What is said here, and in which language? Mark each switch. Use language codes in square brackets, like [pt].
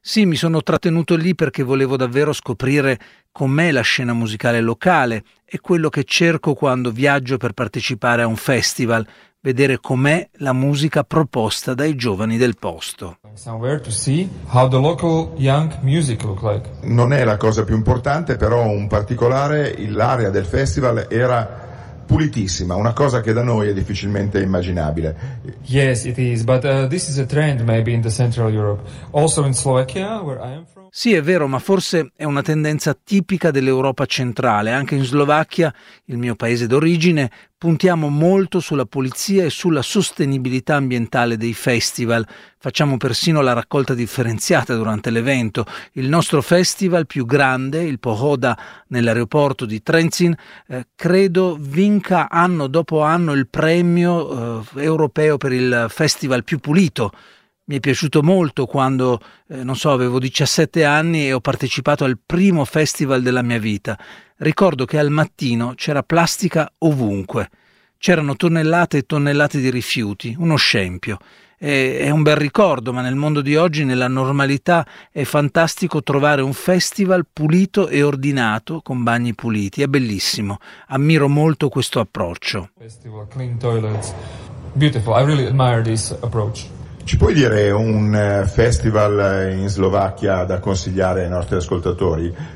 [it] Sì, mi sono trattenuto lì perché volevo davvero scoprire com'è la scena musicale locale. È quello che cerco quando viaggio per partecipare a un festival, vedere com'è la musica proposta dai giovani del posto. [en] To see how the local young music look like. [it] Non è la cosa più importante, però un particolare, l'area del festival era pulitissima, una cosa che da noi è difficilmente immaginabile. [en] Yes, it is, but this is a trend maybe in the Central Europe, also in Slovakia where I am from. [it] Sì, è vero, ma forse è una tendenza tipica dell'Europa centrale. Anche in Slovacchia, il mio paese d'origine, puntiamo molto sulla pulizia e sulla sostenibilità ambientale dei festival. Facciamo persino la raccolta differenziata durante l'evento. Il nostro festival più grande, il Pohoda, nell'aeroporto di Trenčín, credo vinca anno dopo anno il premio europeo per il festival più pulito. Mi è piaciuto molto quando, non so, avevo 17 anni e ho partecipato al primo festival della mia vita. Ricordo che al mattino c'era plastica ovunque. C'erano tonnellate e tonnellate di rifiuti, uno scempio. È un bel ricordo, ma nel mondo di oggi, nella normalità, è fantastico trovare un festival pulito e ordinato con bagni puliti. È bellissimo. Ammiro molto questo approccio. [en] Festival Clean Toilets. Beautiful. I really admire this approach. [it] Ci puoi dire un festival in Slovacchia da consigliare ai nostri ascoltatori?